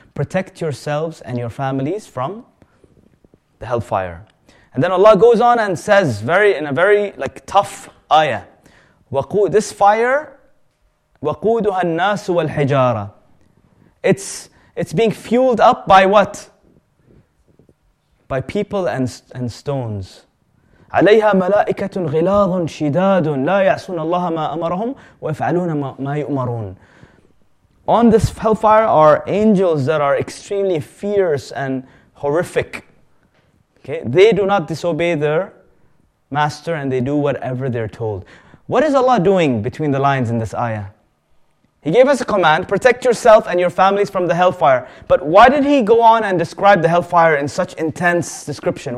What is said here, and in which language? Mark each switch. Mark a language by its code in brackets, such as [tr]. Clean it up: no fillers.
[en] Protect yourselves and your families from the hellfire. And then Allah goes on and says, in a very tough ayah, this fire, [ar] وَقُودُهَا النَّاسُ وَالْحِجَارَةِ [en] It's being fueled up by what? By people and stones. [ar] عَلَيْهَا مَلَائِكَةٌ غِلَاظٌ شِدَادٌ لَا يَعْصُونَ اللَّهَ مَا أَمَرَهُمْ وَيَفْعَلُونَ مَا يُؤْمَرُونَ [en] On this hellfire are angels that are extremely fierce and horrific. Okay? They do not disobey their master and they do whatever they're told. What is Allah doing between the lines in this ayah? He gave us a command, protect yourself and your families from the hellfire. But why did he go on and describe the hellfire in such intense description?